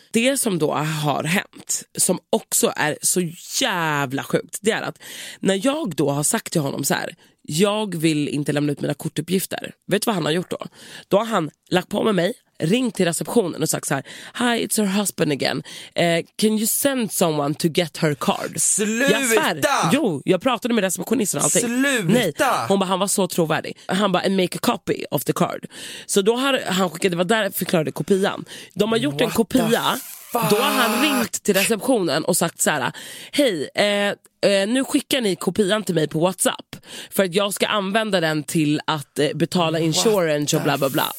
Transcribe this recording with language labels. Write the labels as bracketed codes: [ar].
[sv] Det som då har hänt, som också är så jävla sjukt, det är att när jag då har sagt till honom så här, jag vill inte lämna ut mina kortuppgifter. Vet du vad han har gjort då? Då har han lagt på med mig, ringt till receptionen och sagt så här, [en] hi, it's her husband again. Can you send someone to get her card? [sv] Sluta! Jag pratade med receptionisten och allting. Sluta! Nej. Hon bara, han var så trovärdig. Han bara, [en] and make a copy of the card. [sv] Så då har han skickat, det var där jag förklarade kopian. De har gjort [en] what [sv] en kopia. Då har han ringt till receptionen och sagt så här, hej, nu skickar ni kopian till mig på WhatsApp för att jag ska använda den till att betala insurance och bla bla bla.